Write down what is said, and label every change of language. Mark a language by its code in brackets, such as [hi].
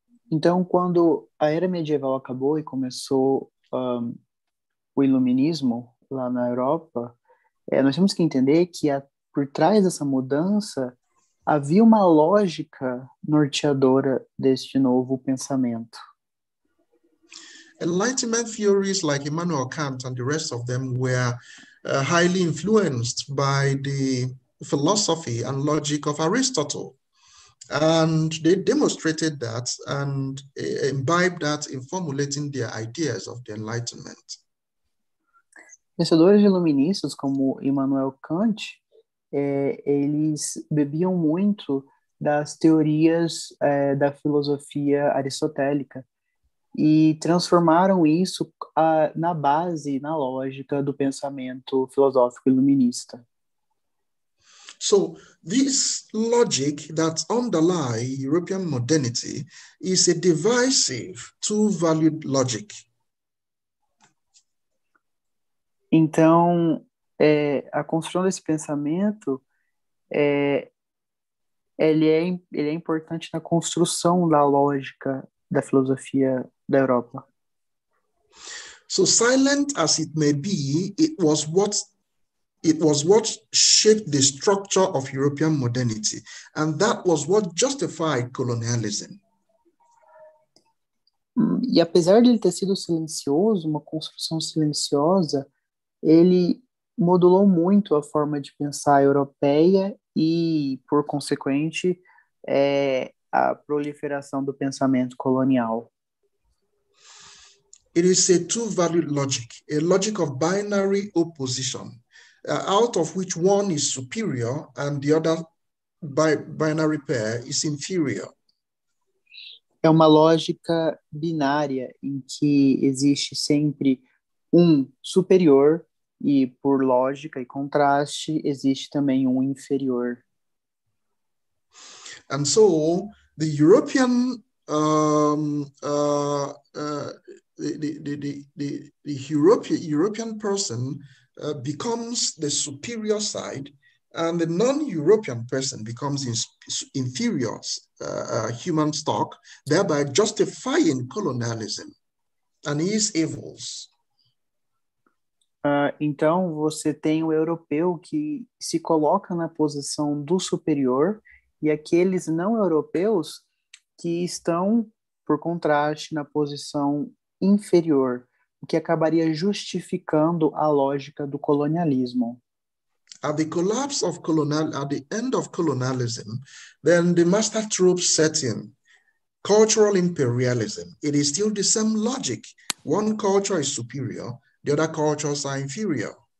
[pt] Então, quando a era medieval acabou e começou o iluminismo lá na Europa, nós temos que entender que por trás dessa mudança havia uma lógica norteadora deste novo pensamento. [en] Enlightenment theories like Immanuel Kant and the rest of them were highly influenced by the philosophy and logic of Aristotle. And they demonstrated that and imbibed that in formulating their ideas of the Enlightenment. [pt] Pensadores iluministas, como Immanuel Kant, eles bebiam muito das teorias da filosofia aristotélica e transformaram isso na base, na lógica do pensamento filosófico iluminista. [en] So, this logic that underlies European modernity is a divisive, two-valued logic. [pt] Então, a construção desse pensamento, ele é importante na construção da lógica da filosofia da Europa. [en] So silent as it may be, it was what shaped the structure of European modernity, and that was what justified colonialism. [pt] E apesar de ele ter sido silencioso, uma construção silenciosa, ele modulou muito a forma de pensar europeia e, por consequente, a proliferação do pensamento colonial. [en] It is a two-valued logic, a logic of binary opposition, out of which one is superior and the other binary pair is inferior. [pt] É uma lógica binária em que existe sempre um superior e, por lógica e contraste, existe também um inferior. [en] And so, the European European person becomes the superior side, and the non-European person becomes inferior human stock, thereby justifying colonialism and his evils. [pt] Então, você tem o europeu que se coloca na posição do superior e aqueles não europeus que estão, por contraste, na posição inferior, o que acabaria justificando a lógica do colonialismo. [en] At the collapse of at the end of colonialism, then the master troops set in cultural imperialism. It is still the same logic. One culture is superior, the other cultures are inferior.